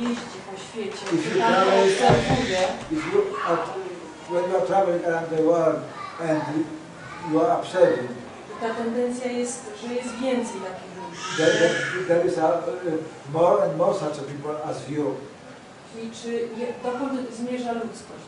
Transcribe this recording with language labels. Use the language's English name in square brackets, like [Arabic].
[English] when you are traveling around the world and you are observing, [Polish] ta tendencja jest, że jest więcej takich ludzi. [English] There is more and more such people as you. [Polish] I czy dokąd zmierza ludzkość?